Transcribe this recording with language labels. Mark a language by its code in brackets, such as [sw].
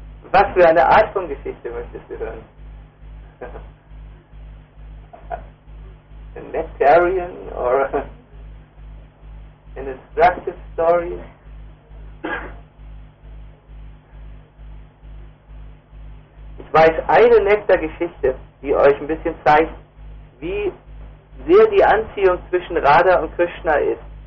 [de] Was für eine Art von Geschichte möchtest du hören? [en] A Nectarian or an instructive story? [de] Ich weiß eine Nektar-Geschichte, die euch ein bisschen zeigt, wie sehr die Anziehung zwischen Radha und Krishna ist.